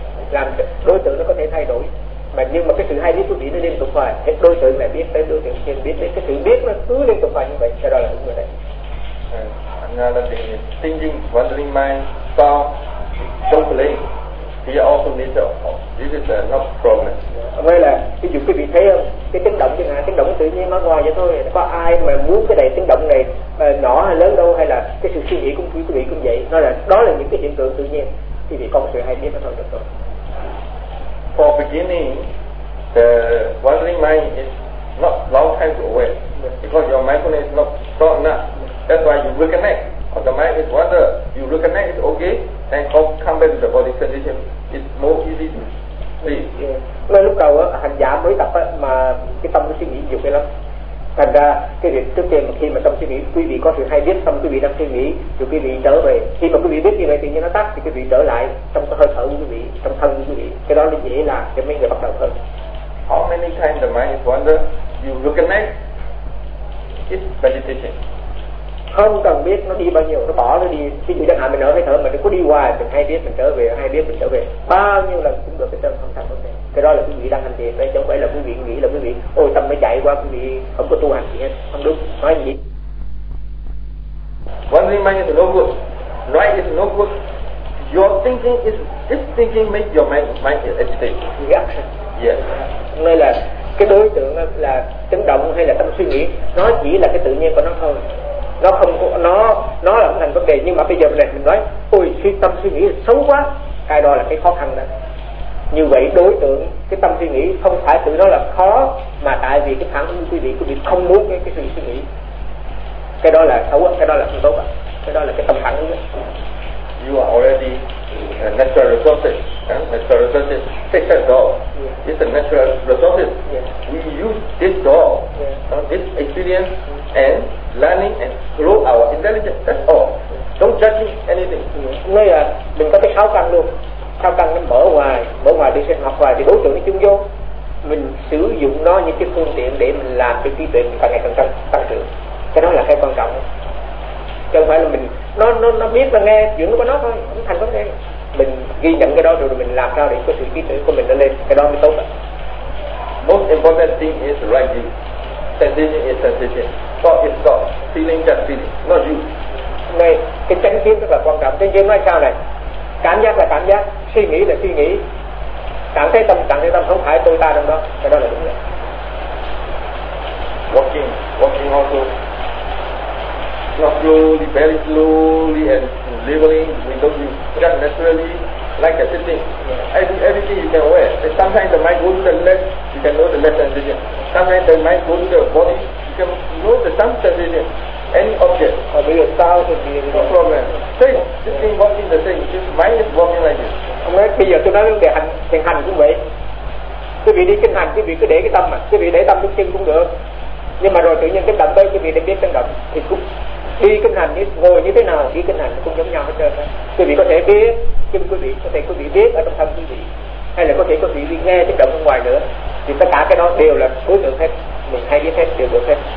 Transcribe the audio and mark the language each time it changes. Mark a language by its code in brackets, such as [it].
[vi] Làm đối tượng nó có thể thay đổi. Mà nhưng mà cái sự hay biết của vị nó liên tục hoài. Hết đối tượng lại biết, tới đối tượng kia biết, cái sự biết nó cứ liên tục hoài như vậy. Cái đó là đúng rồi đấy. [en] Another thing is thinking, wandering mind, thought, don't blame. Here also need to, this is not problem. [vi] Vậy là, ví dụ quý vị thấy không? Cái chấn động chẳng hạn, chấn động tự nhiên nó ngoài vậy thôi. Có ai mà muốn cái này chấn động này nhỏ hay lớn đâu, hay là cái sự suy nghĩ của quý vị cũng vậy. Nói là đó là những cái hiện tượng tự nhiên. Thì vì con sự hay biết nó thôi được rồi. [en] For beginning, the wandering mind is not long time to aware because your mindfulness is not strong enough. That's why you reconnect. Or the mind is wander, you reconnect, it's okay, and come back to the body condition. It's more easy to see. [vi] Nên lúc đầu á, hành giả mới tập á, mà cái tâm nó suy nghĩ nhiều cái lắm. Thành ra cái việc trước tiên khi mà tâm suy nghĩ, quý vị có sự hay biết tâm quý vị đang suy nghĩ, rồi quý vị trở về. Khi mà quý vị biết như vậy thì như nó tắt, thì quý vị trở lại trong cái hơi thở của quý vị, trong thân của quý vị. Cái đó là dễ là cho mấy người bắt đầu hơn. [en] How many times the mind is wander, you reconnect, it's meditation. [vi] Không cần biết nó đi bao nhiêu, nó bỏ nó đi. Ví dụ chẳng hạn mình ở hơi thở, mình cứ đi hoài, mình hay biết mình trở về, hay biết mình trở về. Bao nhiêu lần cũng được, cái tâm không thành vấn đề. Cái đó là quý vị đang hành thiền, chứ không phải là quý vị nghĩ là quý vị ôi tâm nó chạy qua, quý vị không có tu hành gì hết. Không đúng, nói gì. [en] Wandering mind is no good. Right is no good. Your thinking is, this thinking makes your mind is agitated. Yes. Yes. [vi] Nên là cái đối tượng là chấn động hay là tâm suy nghĩ, nó chỉ là cái tự nhiên của nó thôi. Nó không có, nó là thành vấn đề. Nhưng mà bây giờ này mình nói ôi suy tâm suy nghĩ xấu quá, cái đó là cái khó khăn đó. Như vậy đối tượng cái tâm suy nghĩ không phải tự nó là khó, mà tại vì cái phản ứng của quý vị không muốn cái sự suy nghĩ, cái đó là xấu, cái đó là không tốt, cái đó là cái tâm phản ứng. [en] You are already natural resources, natural resources, take that door. Yeah. It's a natural resources. Yeah. We use this door, this experience and learning and grow our intelligence. That's all. Don't judge anything. [vi] Nơi là mình có cái sáu căn luôn. Sáu căn nó mở ngoài đi sinh hoạt ngoài thì đối tượng nó chung vô. Mình sử dụng nó như cái phương tiện để mình làm cái trí tuệ càng ngày càng tăng trưởng. Cái đó là cái quan trọng. Chứ không phải là mình nó biết là nghe chuyện của nó thôi, không thành vấn đề. Mình ghi nhận cái đó rồi mình làm sao để có sự trí tuệ của mình nó lên, cái đó mới tốt. [en] Most important thing is right view. Sensation is sensation. Thought is thought. Feeling just feeling, not you. [vi] Này, cái chánh kiến rất là quan trọng. Chánh kiến nói sao này? Cảm giác là cảm giác, suy nghĩ là suy nghĩ. Cảm thấy tâm không phải tôi ta trong đó, cái đó là đúng rồi. [en] Walking also. Not slowly, very slowly and leveling, we don't use just naturally, like a sitting. Everything you can aware. Sometimes the mind goes to the left, you can know the left sensation. Sometimes the mind goes to the body, you can know the sun sensation. Any object. Or do your style to be no problem. Same, sitting, walking the same. This mind is walking like this. [vi] Okay, bây giờ tôi nói về thiền hành cũng vậy. Quý vị đi kinh hành, quý vị cứ để cái tâm, quý vị để tâm trong chân cũng được. Nhưng mà rồi tự nhiên cái động tới quý vị để biết chân động thì cũng đi kinh hành như ngồi như thế nào đi kinh hành cũng giống nhau hết trơn á. Quý vị có thể biết, nhưng quý vị biết ở trong thân quý vị, hay là có thể quý vị nghe chân động bên ngoài nữa, thì tất cả cái đó đều là đối tượng hết, mình hay biết hết, đều được hết.